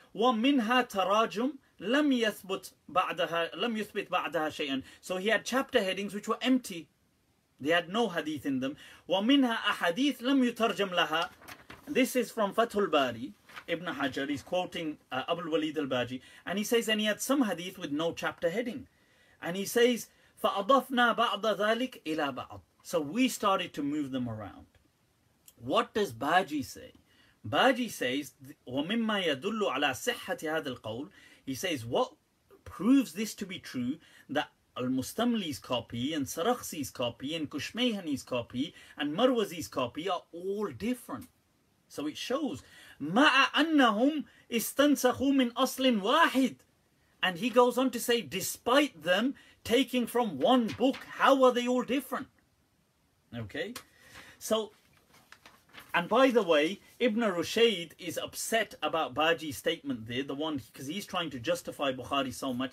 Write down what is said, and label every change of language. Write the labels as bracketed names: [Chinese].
[Arabic] وَمِنْهَا تَرَاجُمْ لَمْ يُثْبِتْ بَعْدَهَا شَيْئًا. [English] So he had chapter headings which were empty. They had no hadith in them. [Arabic] وَمِنْهَا أَحَدِيثْ لَمْ يُتَرْجَمْ لَهَا. [English] This is from Fathul Bari, Ibn Hajar. He's quoting Abu al-Walid al-Baji. And he says, and he had some hadith with no chapter heading. And he says, [Arabic] فَأَضَفْنَا بَعْضَ ذَلِكَ إِلَى بَعْضٍ. [English] So we started to move them around. What does Baji say? Baji says, [Arabic] وَمِمَّا يَدُلُّ عَلَىٰ صِحَّةِ هَذَا الْقَوْلِ. [English] He says, what proves this to be true, that Al-Mustamli's copy, and Sarakhsi's copy, and Kushmehani's copy, and Marwazi's copy are all different. So it shows, [Arabic] مَعَ أَنَّهُمْ إِسْتَنْسَخُوا مِنْ أَصْلٍ وَاحِدٍ. [English] And he goes on to say, despite them taking from one book, how are they all different? Okay? So, and by the way, Ibn Rushayd is upset about Baji's statement there, the one, because he's trying to justify Bukhari so much.